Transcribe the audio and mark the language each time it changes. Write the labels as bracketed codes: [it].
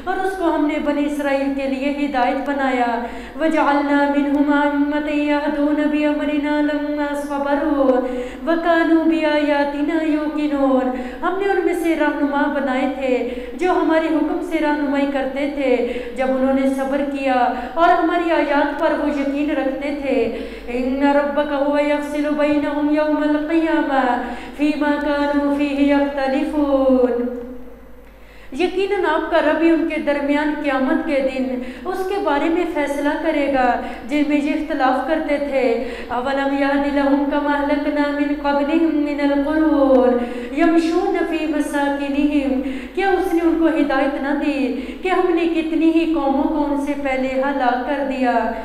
[ur] اور اس کو ہم نے بنی اسرائیل کے لیے ہدایت بنایا. [ar] وَجَعَلْنَا مِنْهُمَا أَئِمَّةً يَهْدُونَ بِأَمْرِنَا لَمَّا صَبَرُوا وَكَانُوا بِآيَاتِنَا يُوقِنُونَ. [ur] ہم نے ان میں سے رہنما بنائے تھے جو ہمارے حکم سے رہنمائی کرتے تھے جب انہوں نے صبر کیا اور ہماری آیات پر وہ یقین رکھتے تھے. [ar] ان ربك هو يفصل بينهم يوم القيامة فيما كانوا فيه يختلفون. [ur] یقیناً آپ کا رب ان کے درمیان قیامت کے دن اس کے بارے میں فیصلہ کرے گا جن میں یہ اختلاف کرتے تھے. [ar] اولم یہد لہم کم اہلکنا من قبلہم من القرون یمشون فی مساکنہم, [ur] کیا اس نے ان کو ہدایت نہ دی کہ ہم نے کتنی ہی قوموں کو ان سے پہلے ہلاک کر دیا.